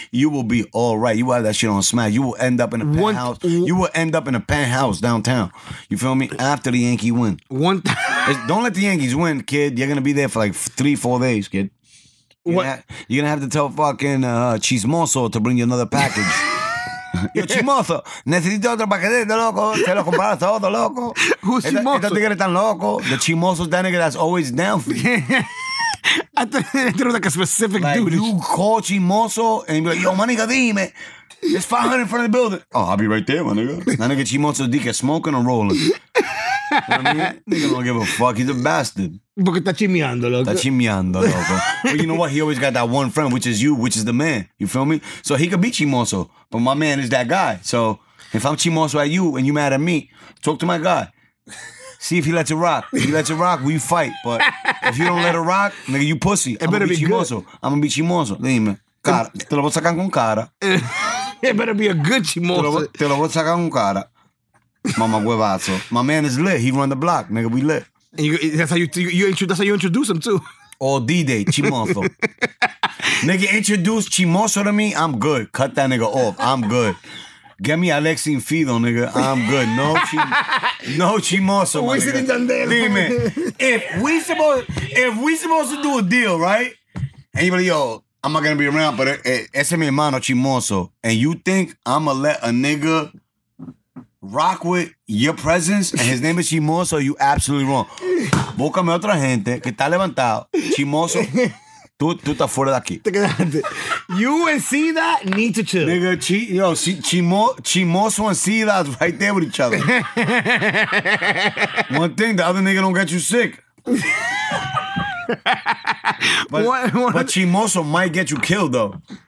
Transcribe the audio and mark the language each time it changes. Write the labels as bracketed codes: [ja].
[en] You will be all right. You will have that shit on smash. You will end up in a penthouse. You will end up in a penthouse downtown. You feel me? After the Yankee win. Don't let the Yankees win, kid. You're going to be there for like 3-4 days, kid. You're going to have to tell fucking Chismoso to bring you another package. [es] Yo, Chismoso, necesito otro paquete, loco. Se lo compara todo, loco. [en] Who's Chismoso? [es] Esta tigre tan loco. [en] The Chismoso is that nigga that's always down for you. I thought it was like a specific like, dude. You call Chismoso and be like, yo, [es] manica, dime. [en] It's 500 in front of the building. Oh, I'll be right there, my nigga. That nigga Chismoso is dick smoking or rolling. You know what I mean? Nigga don't give a fuck. He's a bastard. [es] Porque está chimiando, loco. Está chimiando, loco. [en] But you know what? He always got that one friend, which is you, which is the man. You feel me? So he could be Chismoso. But my man is that guy. So if I'm Chismoso at you and you mad at me, talk to my guy. See if he lets it rock. If he lets it rock, we fight. But if you don't let it rock, nigga, you pussy. I'm gonna be Chismoso. [es] Dime. Cara. Te lo voy a sacar con cara. [en] It better be a good Chismoso. [es] Te lo voy a sacar con cara. Mama huevazo. [en] My man is lit. He run the block. Nigga, we lit. And that's how you introduce him, too. All D-Day, Chismoso. Nigga, introduce Chismoso to me, I'm good. Cut that nigga off. I'm good. Get me Alexi and Fido, nigga. I'm good. No Chismoso, my nigga. Dime, if we supposed to do a deal, right? And you be like, yo, I'm not going to be around, but [es] ese mi hermano Chismoso. [en] And you think I'm going to let a nigga rock with your presence and his name is Chismoso, you absolutely wrong. [es] Búscame otra gente que está levantado. Chismoso, tú estás fuera de aquí. [en] You and Cida need to chill. Nigga, Chismoso and Cida is right there with each other. One thing, the other nigga don't get you sick. But Chismoso might get you killed, though.